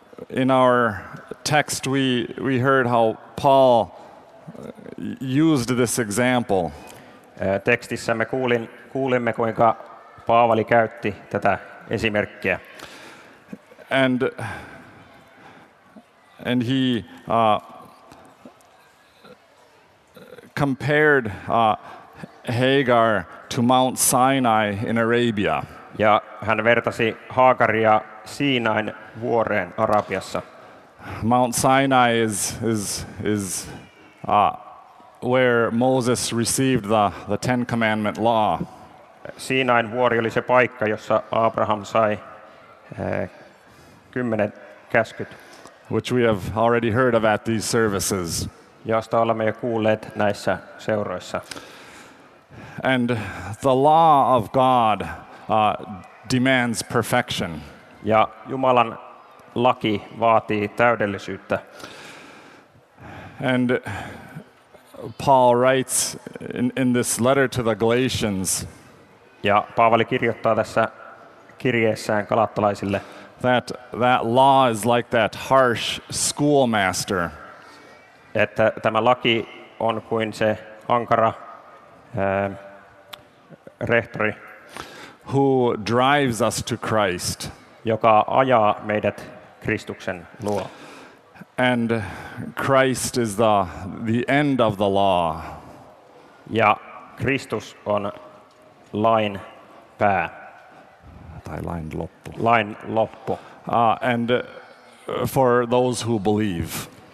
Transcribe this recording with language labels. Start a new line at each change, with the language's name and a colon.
English: In our text we heard how Paul used this example.
Finnish: Tekstissä me kuulimme kuinka Paavali käytti tätä esimerkkiä.
English: And he compared Hagar to Mount Sinai in Arabia.
Finnish: Ja hän vertasi Hagaria Siinain vuoreen Arabiassa.
English: Mount Sinai is where Moses received the Ten Commandment law.
Finnish: Siinain vuori oli se paikka, jossa Abraham sai 10 käskyt.
English: Which we have already heard of at these services.
Finnish: Josta olemme jo kuulleet näissä seuroissa.
English: And the law of God demands perfection.
Finnish: Ja Jumalan laki vaatii täydellisyyttä.
English: And Paul writes in this letter to the Galatians.
Finnish: Ja Paavali kirjoittaa tässä kirjeessään galattalaisille.
English: That law is like that harsh schoolmaster.
Finnish: Että tämä laki on kuin se ankara rehtori.
English: Who drives us to Christ.
Finnish: Joka ajaa meidät Kristuksen luo.
English: And Christ is the end of the law.
Finnish: Ja Kristus on lain pää. Tai lain loppu. Lain loppu.
English: And for those who believe.